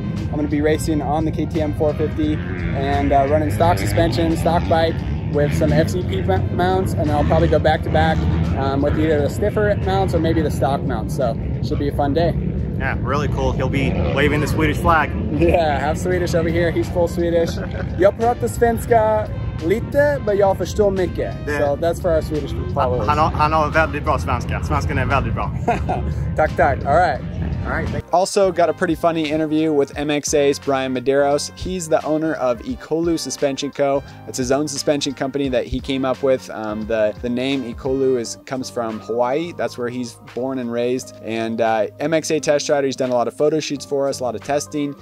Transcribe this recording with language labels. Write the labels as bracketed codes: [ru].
[en] I'm going to be racing on the KTM 450 and running stock suspension, stock bike with some FCP mounts. And I'll probably go back to back with either the stiffer mounts or maybe the stock mounts. So should be a fun day. Yeah, really cool. He'll be waving the Swedish flag. Yeah, half Swedish over here. He's full Swedish. [sv] Jag pratar svenska lite, [en] but [sv] jag förstår mycket. [en] So that's for our Swedish followers. [sv] Han har väldigt bra svenska. Svenskan är väldigt bra. Tack, tack. [en] All right. Also got a pretty funny interview with MXA's Brian Medeiros. He's the owner of Ecolu Suspension Co. It's his own suspension company that he came up with. The name Ecolu comes from Hawaii. That's where he's born and raised. And MXA test rider, he's done a lot of photo shoots for us, a lot of testing.